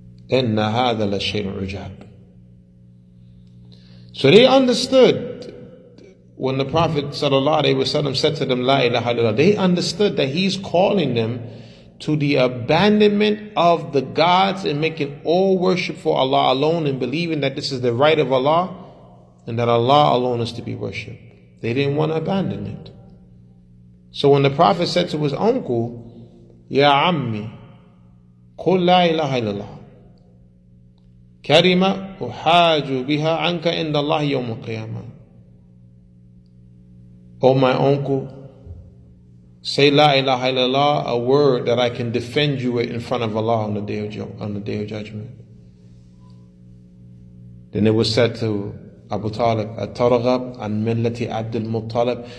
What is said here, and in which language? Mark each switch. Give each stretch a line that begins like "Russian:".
Arabic: إِنَّ هَذَا لَشَيْءٌ عُجَابٌ.
English: So they understood when the Prophet sallallahu alaihi wasallam said to them, La ilaha illallah, they understood that he's calling them to the abandonment of the gods and making all worship for Allah alone and believing that this is the right of Allah and that Allah alone is to be worshipped. They didn't want to abandon it. So when the Prophet said to his uncle,
Arabic: Ya Ammi, قُلْ لَا إِلَهَ إِلَّا اللَّهُ كَرِمَ أُحَاجُ بِهَا عَنْكَ إِنَّ اللَّهِ يَوْمُ الْقِيَامَةِ.
English: Oh my uncle, say La ilaha illallah, a word that I can defend you with in front of Allah on the day of judgment. Then it was said to Abu Talib,
Arabic: Atarghab an millati Abdul Muttalib.